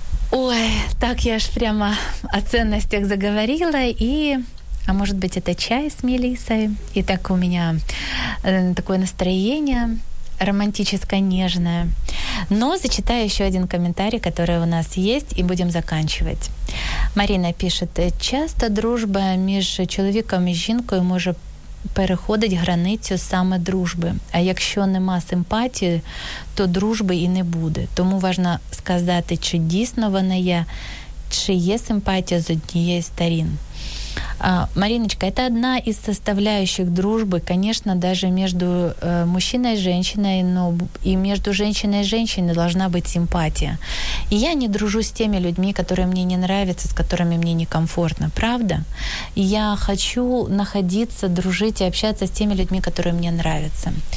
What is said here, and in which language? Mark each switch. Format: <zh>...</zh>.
<ru>Ой, так я аж прямо о ценностях заговорила. И, а может быть, это чай с Мелиссой. И так у меня такое настроение романтическое, нежное. Но зачитаю еще один комментарий, который у нас есть, и будем заканчивать. Марина пишет:</ru> <uk>часто дружба між чоловіком і жінкою може переходить границю саме дружби. А якщо нема симпатії, то дружби і не буде. Тому важливо сказати, чи дійсно вона є, чи є симпатія з однієї сторін.</uk> <ru>Мариночка, это одна из составляющих дружбы, конечно, даже между мужчиной и женщиной, но и между женщиной и женщиной должна быть симпатия. И я не дружу с теми людьми, которые мне не нравятся, с которыми мне некомфортно, правда? И я хочу находиться, дружить и общаться с теми людьми, которые мне нравятся.</ru>